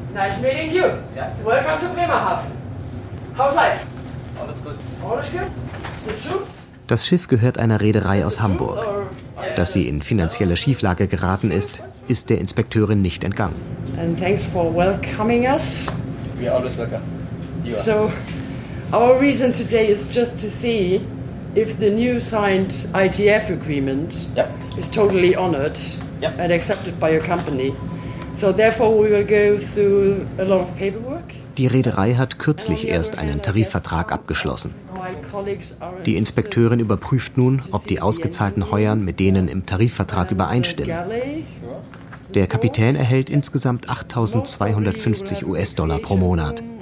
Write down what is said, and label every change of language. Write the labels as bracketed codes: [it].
[en] Nice meeting you. Yeah. Welcome to Bremerhaven. How's life? All is good. All is good? The truth? [de] Das Schiff gehört einer Reederei aus Hamburg. Dass sie in finanzielle Schieflage geraten ist, ist der Inspekteurin nicht entgangen. [en] And thanks for welcoming us. You're always welcome. So, our reason today is just to see if the new signed ITF agreement is totally honored and accepted by your company. So therefore we will go through a lot of paperwork. [de] Die Reederei hat kürzlich erst einen Tarifvertrag abgeschlossen. Die Inspekteurin überprüft nun, ob die ausgezahlten Heuern mit denen im Tarifvertrag übereinstimmen. Der Kapitän erhält insgesamt 8.250 US-Dollar pro Monat.